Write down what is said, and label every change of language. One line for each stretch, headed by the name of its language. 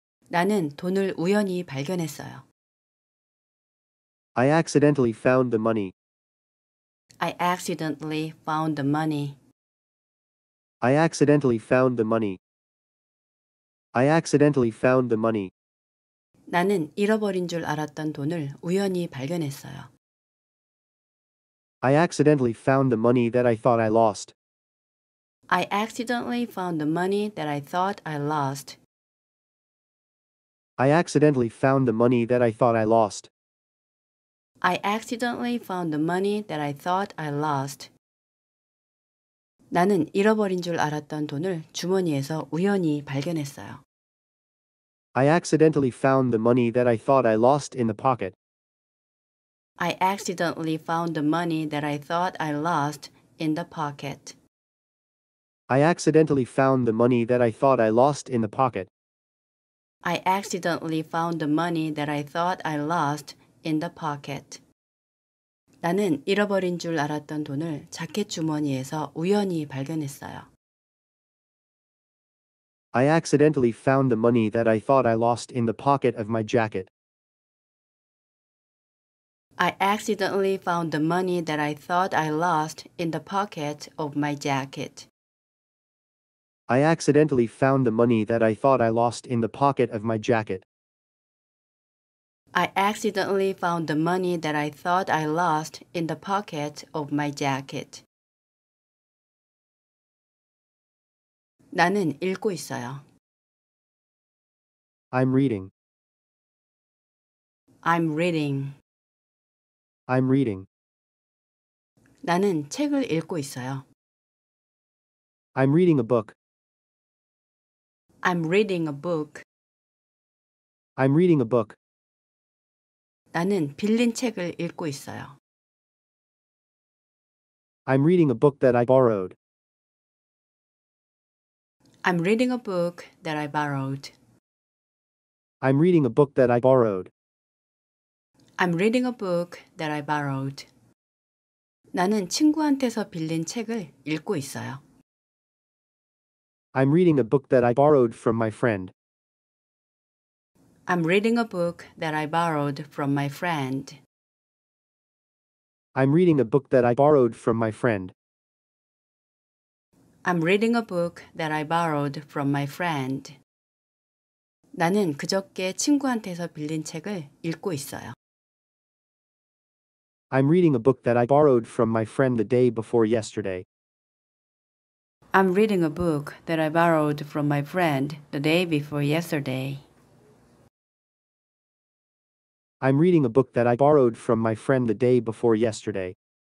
Korean: 나는 돈을 우연히 발견했어요.
English: I accidentally found the money. I accidentally found the money. I accidentally found the money. I accidentally found the money.
Korean: 나는 잃어버린 줄 알았던 돈을 우연히 발견했어요.
English: I accidentally found the money that I thought I lost. I accidentally found the money that I thought I lost. I accidentally found the money that I thought I lost. I accidentally found the money that I thought I lost.
Korean: 나는 잃어버린 줄 알았던 돈을 주머니에서 우연히 발견했어요.
English: I accidentally found the money that I thought I lost in the pocket. I accidentally found the money that I thought I lost in the pocket. I accidentally found the money that I thought I lost in the pocket. I accidentally found the money that I thought I lost in the pocket.
Korean: 나는 잃어버린 줄 알았던 돈을 자켓 주머니에서 우연히 발견했어요.
English: I accidentally found the money that I thought I lost in the pocket of my jacket. I accidentally found the money that I thought I lost in the pocket of my jacket. I accidentally found the money that I thought I lost in the pocket of my jacket. I accidentally found the money that I thought I lost in the pocket of my jacket.
Korean: 나는 읽고 있어요.
English: I'm reading. I'm reading. I'm reading.
Korean: 나는 책을 읽고 있어요.
English: I'm reading a book. I'm reading a book. I'm reading a book.
Korean: 나는 빌린 책을 읽고 있어요.
English: I'm reading a book that I borrowed. I'm reading a book that I borrowed. I'm reading a book that I borrowed. I'm reading a book that I borrowed.
Korean: 나는 친구한테서 빌린 책을 읽고 있어요.
English: I'm reading a book that I borrowed from my friend. I'm reading a book that I borrowed from my friend. I'm reading a book that I borrowed from my friend. I'm reading a book that I borrowed from my friend.
Korean: 나는 그저께 친구한테서 빌린 책을 읽고 있어요.
English: I'm reading a book that I borrowed from my friend the day before yesterday. I'm reading a book that I borrowed from my friend the day before yesterday. I'm reading a book that I borrowed from my friend the day before yesterday.